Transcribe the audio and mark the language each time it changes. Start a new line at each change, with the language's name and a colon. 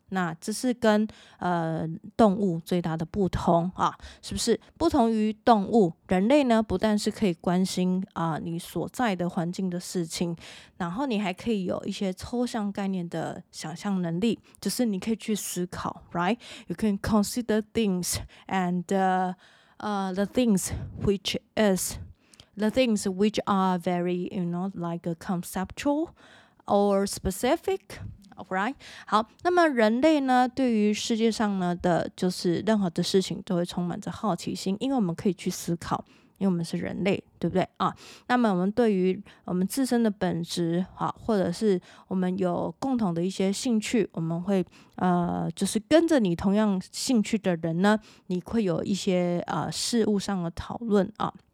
Chinese: 那这是跟动物最大的不同啊，是不是？不同于动物，人类呢不但是可以关心你所在的环境的事情，然后你还可以有一些抽象概念的想象能力，就是你可以去思考 ，right?
English: You can consider things and the things which is. The things which are very, you know, like a conceptual or specific, right?
Chinese: 好，那么人类呢，对于世界上呢的，就是任何的事情都会充满着好奇心，因为我们可以去思考，因为我们是人类，对不对啊？那么我们对于我们自身的本质，好，或者是我们有共同的一些兴趣，我们会就是跟着你同样兴趣的人呢，你会有一些事物上的讨论啊。